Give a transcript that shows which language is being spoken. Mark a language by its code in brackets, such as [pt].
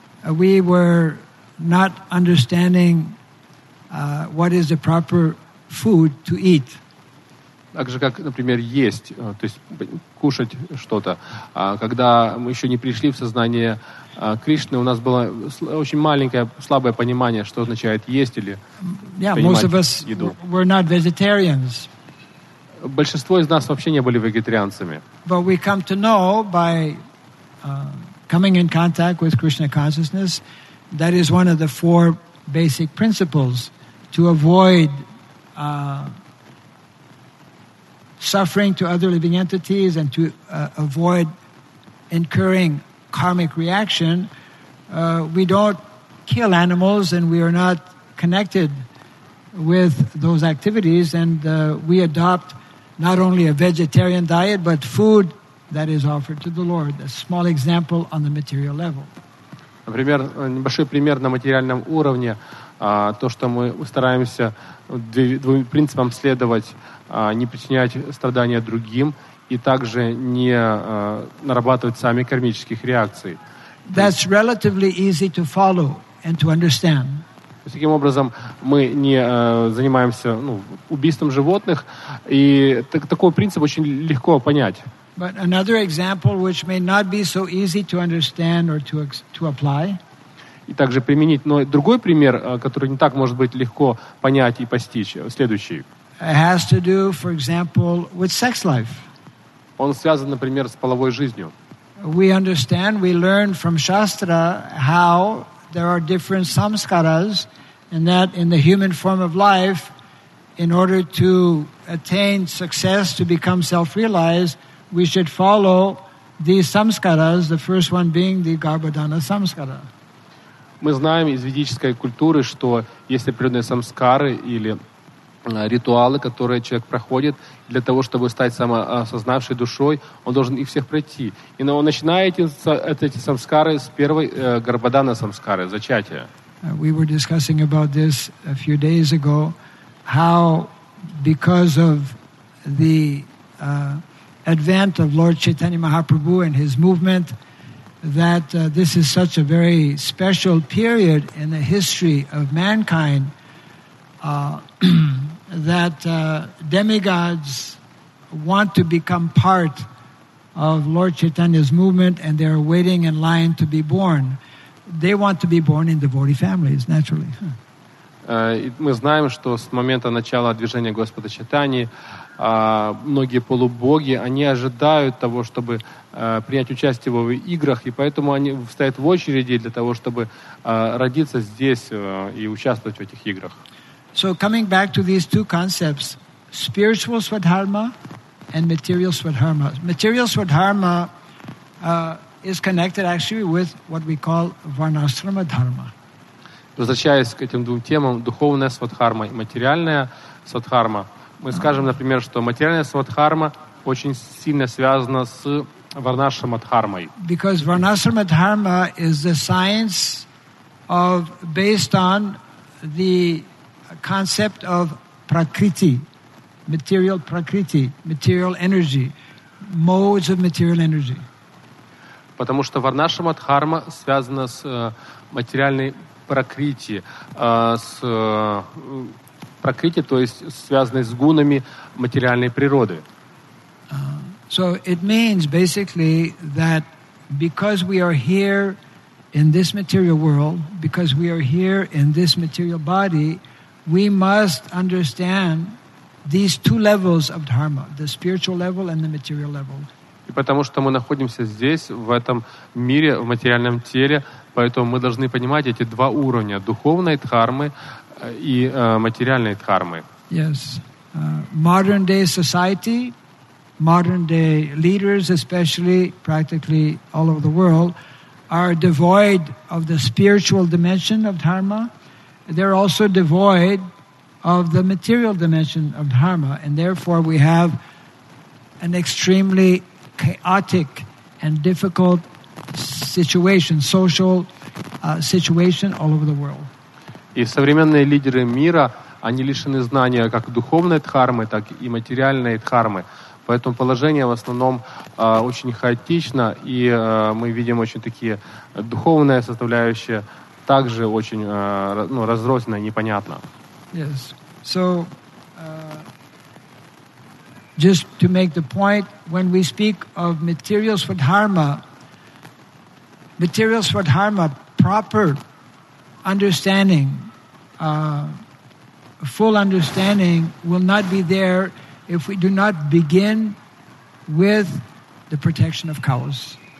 [en] We were not understanding what is the proper food to eat. [ru] Так же, как, например, есть, то есть кушать что-то. Когда мы еще не пришли в сознание Кришны, у нас было очень маленькое, слабое понимание, что означает есть или принимать еду. [en] We're not vegetarians. [ru] Большинство из нас вообще не были вегетарианцами. [en] But we come to know by coming in contact with Krishna consciousness, that is one of the four basic principles to avoid suffering to other living entities and to avoid incurring karmic reaction. We don't kill animals and we are not connected with those activities, and we adopt not only a vegetarian diet but food that is offered to the Lord. A small example on the material level. [ru] Например, небольшой пример на материальном уровне. То, что мы стараемся двум принципам следовать, не причинять страдания другим и также не нарабатывать сами кармических реакций. [en] That's relatively easy to follow and to understand. [ru] Таким образом, мы не занимаемся убийством животных, и такой принцип очень легко понять. [en] But another example, which may not be so easy to understand or to apply. [ru] И также применить. Но другой пример, который не так может быть легко понять и постичь, следующий. [en] It has to do, for example, with sex life. [ru] Он связан, например, с половой жизнью. [en] We understand, we learn from Shastra how there are different samskaras, and that in the human form of life, in order to attain success, to become self-realized, we should follow these samskaras, the first one being the Garbhadhana samskara. [ru] Мы знаем из ведической культуры, что есть определенные самскары или ритуалы, которые человек проходит для того, чтобы стать самосознавшей душой, он должен их всех пройти. И он начинает эти самскары с первой Гарбадана самскары, зачатия. [en] We were discussing about this a few days ago, how because of the advent of Lord Chaitanya Mahaprabhu and his movement, that this is such a very special period in the history of mankind that demigods want to become part of Lord Chaitanya's movement, and they're waiting in line to be born. They want to be born in devotee families, naturally. [ru] Мы знаем, что с момента начала движения Господа Чайтаньи многие полубоги, они ожидают того, чтобы принять участие в его играх, и поэтому они стоят в очереди для того, чтобы родиться здесь и участвовать в этих играх. [en] So coming back to these two concepts, spiritual swadharma and material swadharma. Material swadharma is connected actually with what we call varnashrama dharma. [ru] Возвращаясь к этим двум темам, духовная свадхарма и материальная свадхарма, мы скажем, например, что материальная свадхарма очень сильно связана с варнашрамадхармой. [en] Because варнашрамадхарма is the science of based on the concept of prakriti, material energy, modes of material energy. [ru] Потому что варнашрамадхарма связана с материальной прокрытие, с прокрытие, то есть связанное с гунами материальной природы. [en] So it means basically that because we are here in this material world, because we are here in this material body, we must understand these two levels of dharma, the spiritual level and the material level. [ru] И потому что мы находимся здесь, в этом мире, в материальном теле, поэтому мы должны понимать эти два уровня — духовной дхармы и материальной дхармы. [en] Yes. Modern-day society, modern-day leaders, especially practically all over the world, are devoid of the spiritual dimension of dharma. They're also devoid of the material dimension of dharma. And therefore, we have an extremely chaotic and difficult situation, social situation all over the world. [ru] И современные лидеры мира, они лишены знания как духовной дхармы, так и материальной дхармы. Поэтому положение в основном очень хаотично, и мы видим очень такие духовные составляющие, также очень разрозненно и непонятно. [en] Yes. So, just to make the point, when we speak of materials for dharma, proper understanding, full understanding will not be there if we do not begin with the protection of cows.